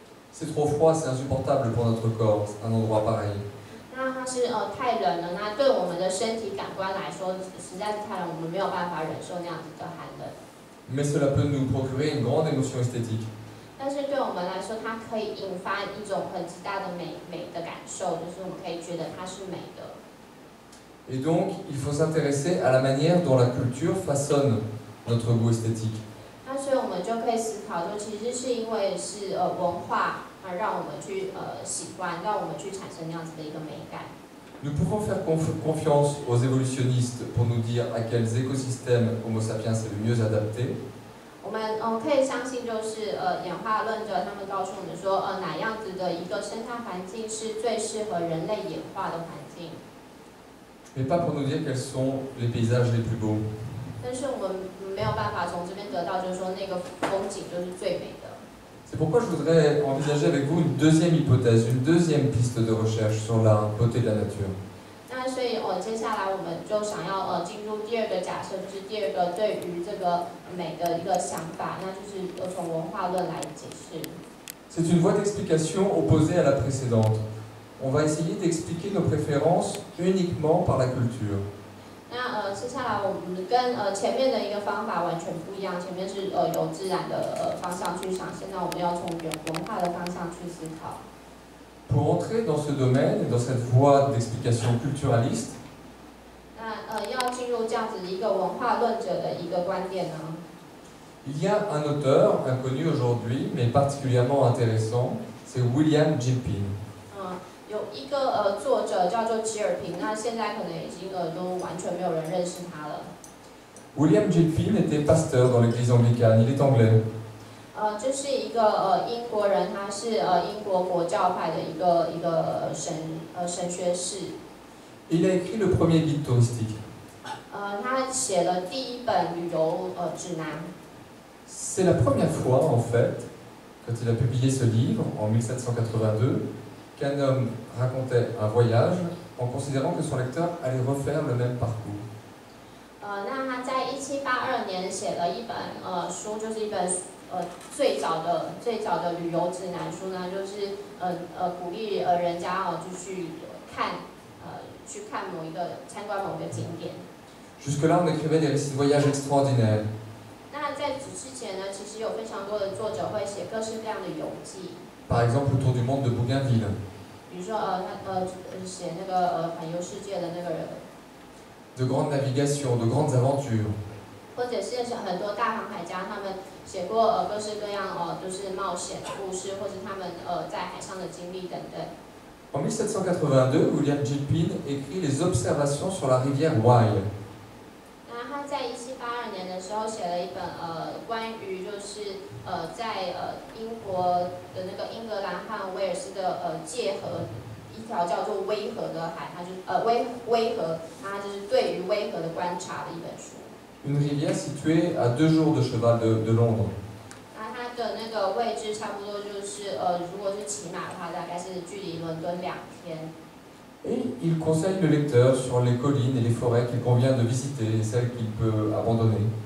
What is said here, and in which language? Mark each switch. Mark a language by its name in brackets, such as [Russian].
[French] C'est trop froid, c'est insupportable pour notre corps, un endroit pareil. [Chinese] 那它是太冷了，那对我们的身体感官来说，实在是太冷，我们没有办法忍受那样子的寒冷。 [French] Mais cela peut nous procurer une grande émotion esthétique. [Chinese] 但是对我们来说，它可以引发一种很极大的美的感受，就是我们可以觉得它是美的。 [French] Et donc, il faut s'intéresser à la manière dont la culture façonne notre goût esthétique. [Chinese] 那所以我们就可以思考，就其实是因为是文化啊，让我们去喜欢，让我们去产生那样子的一个美感。 [French] Nous pouvons faire confiance aux évolutionnistes pour nous dire à quels écosystèmes Homo sapiens est le mieux adapté. [Chinese] 我们可以相信，就是演化论者他们告诉我们说，哪样子的一个生态环境是最适合人类演化的环境。 [French] Mais pas pour nous dire quels sont les paysages les plus beaux. [Chinese] 但是我们没有办法从这边得到，就是说那个风景就是最美的。 [French] C'est pourquoi je voudrais envisager avec vous une deuxième hypothèse, une deuxième piste de recherche sur la beauté de la nature. [Chinese] 那所以接下来我们就想要进入第二个假设，就是第二个对于这个美的一个想法，那就是从文化论来解释。 [French] C'est une voie d'explication opposée à la précédente. On va essayer d'expliquer nos préférences uniquement par la culture. [Chinese] 那接下来我们跟前面的一个方法完全不一样，前面是由自然的方向去想，现在我们要从文化的方向去思考。 [French] Pour entrer dans ce domaine, dans cette voie d'explication culturaliste, [Chinese] 那要进入这样子一个文化论者的一个观点呢？ [French] Il y a un auteur inconnu aujourd'hui, mais particulièrement intéressant, c'est William Jinping. [Chinese] 有一个作者叫做吉尔平，那现在可能已经都完全没有人认识他了。 [French] William Jinping était pasteur dans l'église anglicane. Il est anglais. [Chinese] 就是一个英国人，他是英国国教派的一个神学士。 [French] Il a écrit le premier guide touristique. [Chinese] 他写了第一本旅游指南。 [French] C'est la première fois, en fait, quand il a publié ce livre, en 1782, qu'un homme racontait un voyage en considérant que son lecteur allait refaire le même parcours. [Chinese] 那他在1782年写了一本书，就是一本最早的旅游指南书呢，就是鼓励人家就去看去看某一个参观某个景点。 [French] Jusque-là, on écrivait des récits de voyage extraordinaires. [Chinese] 那在此之前呢，其实有非常多的作者会写各式各样的游记。 [French] Par exemple, autour du monde de Bougainville. [Chinese] 比如说，写那个环游世界的那个人。 [French] De grandes navigations, de grandes aventures. [Chinese] 或者是很多大航海家，他们写过各式各样就是冒险的故事，或者他们在海上的经历等等。 [French] En 1782, William Jinping écrit les observations sur la rivière Wye. [Chinese] 在1782年的时候写了一本关于就是在英国的那个英格兰和威尔斯的界河一条叫做威河的海，它就是威河，它就是对于威河的观察的一本书。 [French] Une rivière située à deux jours de cheval de Londres。 [Chinese] 那它的那个位置差不多就是如果是骑马的话，大概是距离伦敦两天。 [French] Et il conseille le lecteur sur les collines et les forêts qu'il convient de visiter et celles qu'il peut abandonner.